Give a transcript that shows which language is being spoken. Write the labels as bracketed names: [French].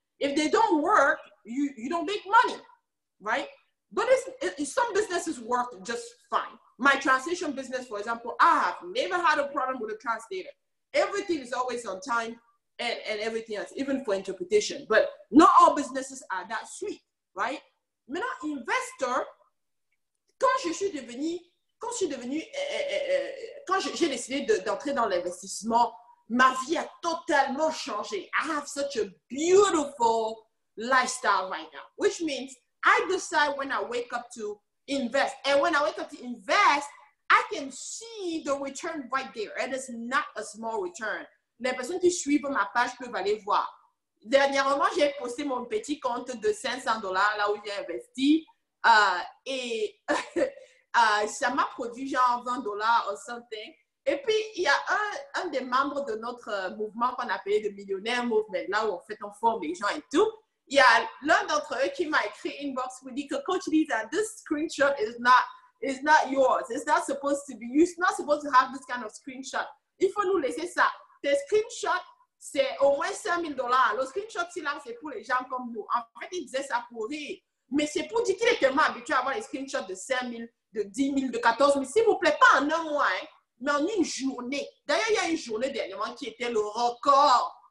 [English] If they don't work, you don't make money, right? But some businesses work just fine. My translation business, for example, I have never had a problem with a translator. Everything is always on time and everything else, even for interpretation. But not all businesses are that sweet, right? [French] Maintenant, investor, quand j'ai décidé d'entrer dans l'investissement, ma vie a totalement changé. [English] I have such a beautiful lifestyle right now, which means I decide when I wake up to invest. And when I wake up to invest, I can see the return right there. And it's not a small return. [French] Les personnes qui suivent ma page peuvent aller voir. Dernièrement, j'ai posté mon petit compte de $500 là où j'ai investi. ça m'a produit genre $20 [English] or something. [French] Et puis, il y a un des membres de notre mouvement qu'on appelle le Millionnaire Movement, là où en fait on forme les gens et tout. Il y a l'un d'entre eux qui m'a écrit inbox, qui dit que Coach Lisa, [English] this screenshot is not yours. It's not supposed to be. You're not supposed to have this kind of screenshot. [French] Il faut nous laisser ça. Tes screenshots, c'est au moins $5,000. Le screenshot, là, c'est pour les gens comme nous. En fait, il disait ça pour rire. Mais c'est pour dire qu'il est tellement habitué à avoir les screenshots de 5 000, de 10 000, de 14 000. S'il vous plaît, pas en un mois, hein, mais en une journée. D'ailleurs, il y a une journée dernièrement qui était le record.